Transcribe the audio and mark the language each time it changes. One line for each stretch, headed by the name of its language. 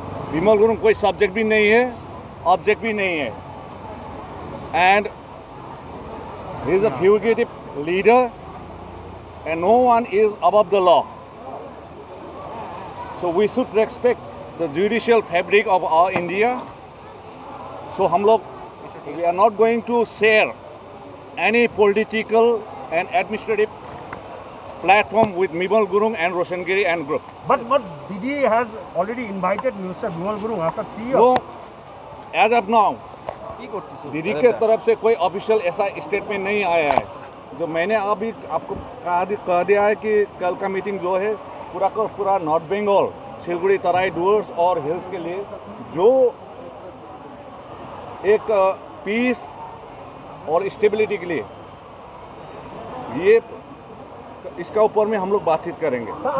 English: Bimal Gurung
Hindi: कोई सब्जेक्ट भी नहीं है,
English: Object भी नहीं है, and he is a fugitive leader and no one is above the law, so we should respect the judicial fabric of our India. So
Hindi: हम लोग
English: We are not going to share any political and administrative platform with Bimal Gurung and Roshangiri and group. But BDA has already invited Mr. Bimal Gurung after 3 years. No, as of now,
Hindi: BDA के तरफ से कोई official ऐसा statement नहीं आया है। जो मैंने अभी आपको कह दिया है कि कल का meeting जो है पूरा का पूरा North Bengal, सिलगुड़ी तराई डुअर्स और hills के लिए जो एक peace और स्टेबिलिटी के लिए, ये इसका ऊपर में हम लोग बातचीत करेंगे।